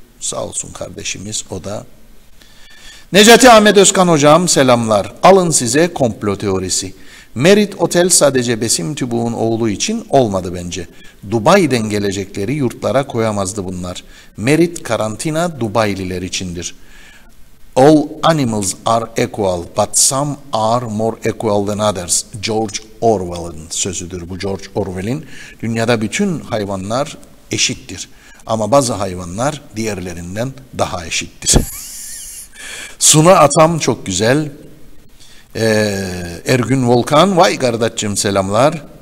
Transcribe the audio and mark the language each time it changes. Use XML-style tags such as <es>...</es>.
<tr>Sağ olsun kardeşimiz, o da. Necati Ahmet Özkan hocam selamlar. Alın size komplo teorisi. Merit Otel sadece Besim Tübük'ün oğlu için olmadı bence. Dubai'den gelecekleri yurtlara koyamazdı bunlar. Merit karantina Dubai'liler içindir.</tr> <en>All animals are equal but some are more equal than others.</en> <tr>George Orwell'ın sözüdür bu. George Orwell'in, dünyada bütün hayvanlar eşittir. Ama bazı hayvanlar diğerlerinden daha eşittir. Suna Atam çok güzel. Ergün Volkan, vay Gardaççım selamlar.</tr>